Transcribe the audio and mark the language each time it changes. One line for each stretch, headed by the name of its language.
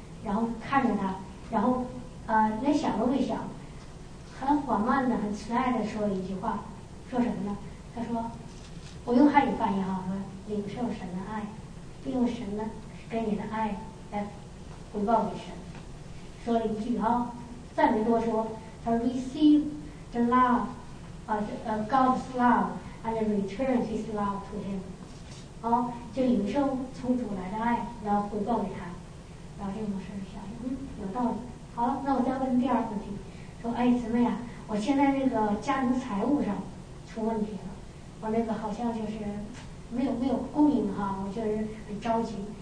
Chinese: 然后看着他，然后连想都没想，很缓慢的、很慈爱的说了一句话，说什么呢？他说：“我用汉语翻译哈，领受神的爱，并用神的给你的爱来回报给神。” 说了一句哈、啊，再没多说。
English: 他 receive the love, God's love, and return His love to him.
Chinese: 哦，就领受从主来的爱，然后回报给他。然后这个牧师想，有道理。好，那我再问第二个问题，说，哎，姊妹啊，我现在那个家庭财务上出问题了，我那个好像就是没有供应哈，我就是很着急。